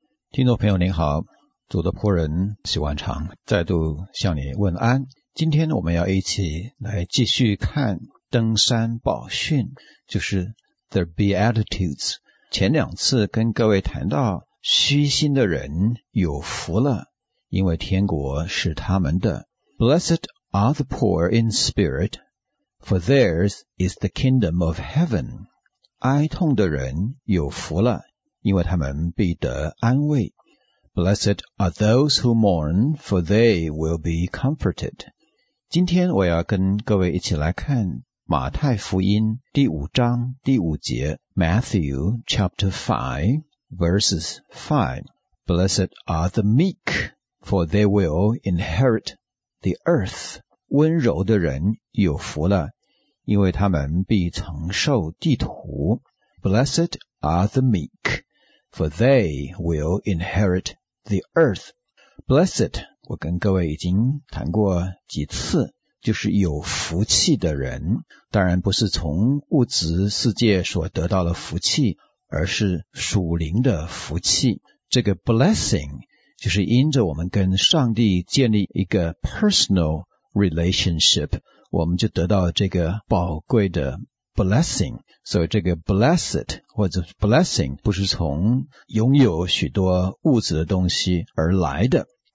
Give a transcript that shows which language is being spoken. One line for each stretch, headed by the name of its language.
Chinese: 听众朋友您好，主的仆人许万长再度向你问安。今天我们要一起来继续看登山宝训，就是 The Beatitudes。前两次跟各位谈到虚心的人有福了，因为天国是他们的。
English: Blessed are the poor in spirit, for theirs is the kingdom of heaven.
Chinese: 哀痛的人有福了，因为他们必得安慰。
English: Blessed are those who mourn, for they will be comforted.
Chinese: 今天我要跟各位一起来看马太福音第五章第五节，
English: Matthew chapter 5 verses 5. Blessed are the meek, for they will inherit the earth.
Chinese: 温柔的人有福了，因为他们必承受地土。
English: Blessed are the meek,For they will inherit the earth.
Chinese: Blessed, 我跟各位已经谈过几次，就是有福气的人，当然不是从物质世界所得到的福气，而是属灵的福气。这个 blessing, 就是因着我们跟上帝建立一个
English: personal relationship,
Chinese: 我们就得到这个宝贵的blessing, 所以这个 blessed 或者 blessing 不是从拥有许多物质的东西而来的。